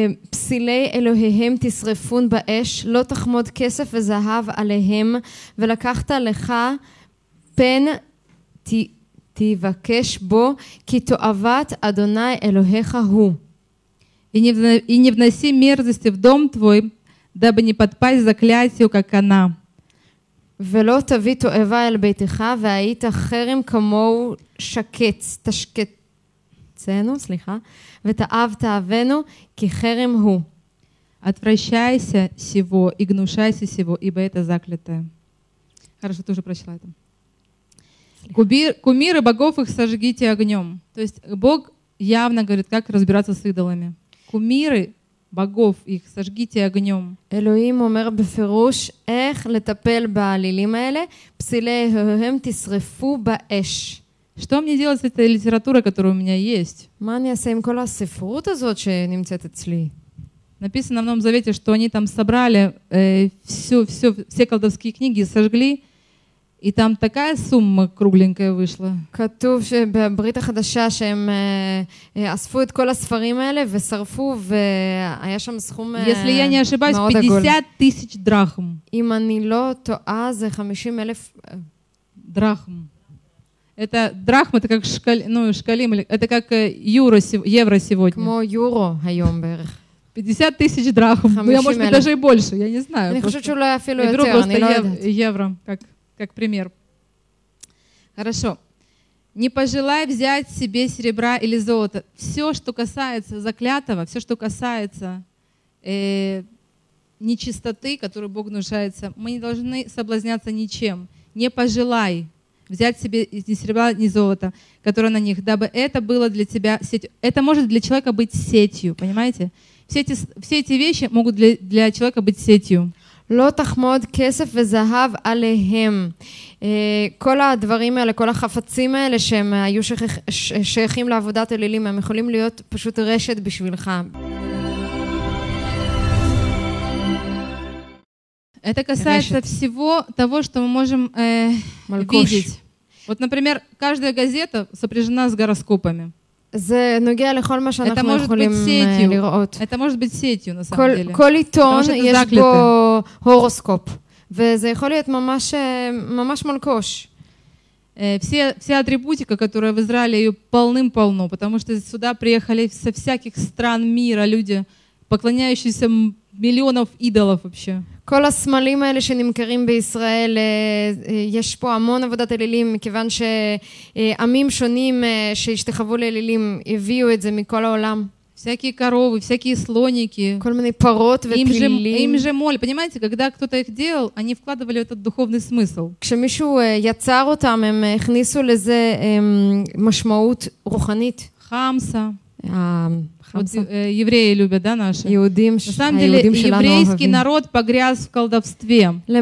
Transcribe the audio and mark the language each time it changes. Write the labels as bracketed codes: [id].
[he] פסילי אלוהיהם תשרפון באש, לא תחמוד כסף וזהב עליהם, ולקחת לך פן תבקש בו, כי תועבת אדוני אלוהיך הוא. [ru] И не вноси мерзости в дом твой, дабы не подпасть заклятию, как она. [he] ולא תביא תועבה אל ביתך, והיית חרם כמוהו שקץ, תשקצנו, סליחה, ותעב תעבנו, כי חרם הוא. [ru] Отвращайся сего и гнушайся сего, ибо это заклятое. Хорошо, ты уже прочла это. Кумиры богов их сожгите огнем. То есть Бог явно говорит, как разбираться с идолами. Кумиры богов их сожгите огнем. [he] Элоим אומר בפירוש איך לטפל בעלילים האלה, פסיליהם תשרפו באש. [ru] Что мне делать с этой литературой, которая у меня есть? [he] מה אני אעשה עם כל הספרות הזאת שנמצאת אצלי? [ru] Написано в Новом Завете, что они там собрали все колдовские книги и сожгли. И там такая сумма кругленькая вышла. [he] כתוב שבברית החדשה שהם אספו את כל הספרים האלה ושרפו והיה שם סכום מאוד עגול. [ru] Если я не ошибаюсь, 50 тысяч драхм. [he] אם אני לא טועה, זה 50 אלף [ru] драхм. Это драхм, это как шкалим, это как евро, евро сегодня. [he] כמו יורו היום בערך. [ru] 50 тысяч драхм. Ну, я, может быть, даже и больше, я не знаю. [he] אני חושבת שאולי אפילו יותר, אני לא יודעת. [ru] Евро, как как пример. Хорошо. Не пожелай взять себе серебра или золота. Все, что касается заклятого, все, что касается нечистоты, которую Бог внушается, мы не должны соблазняться ничем. Не пожелай взять себе ни серебра, ни золота, которое на них, дабы это было для тебя сетью. Это может для человека быть сетью, понимаете? Все эти вещи могут для человека быть сетью. [he] לא תחמוד כסף וזהב עליהם. כל הדברים האלה, כל החפצים האלה שהם היו שייכים לעבודת אלילים, הם יכולים להיות פשוט רשת בשבילך. [ru] Это касается всего того, что мы можем видеть. Вот, например, каждая газета сопряжена с гороскопами. [he] זה נוגע לכל מה שאנחנו יכולים לראות. [ru] Это может быть сетью, на самом деле. [he] כל עיתון יש בו הורוסקופ. וזה יכול להיות ממש, ממש מלכוש. [ru] Вся атрибутика, которая в Израиле, ее полным-полно, потому что сюда приехали со всяких стран мира люди, поклоняющиеся миллионов идолов вообще. [he] כל הסמלים האלה שנמכרים בישראל, יש פה המון עבודת אלילים, מכיוון שעמים שונים שהשתחוו לאלילים הביאו את זה מכל העולם. [ru] Всякие коровы, всякие слоники. [he] כל מיני פרות ופילים. [ru] Им же моль. Понимаете, когда кто-то их делал, они вкладывали этот духовный смысл. [he] כשמישהו יצר אותם, הם הכניסו לזה משמעות רוחנית. [ru] חמסה. Вот евреи любят, да, наши? [he] Иудим, [ru] на самом деле, еврейский народ погряз в колдовстве.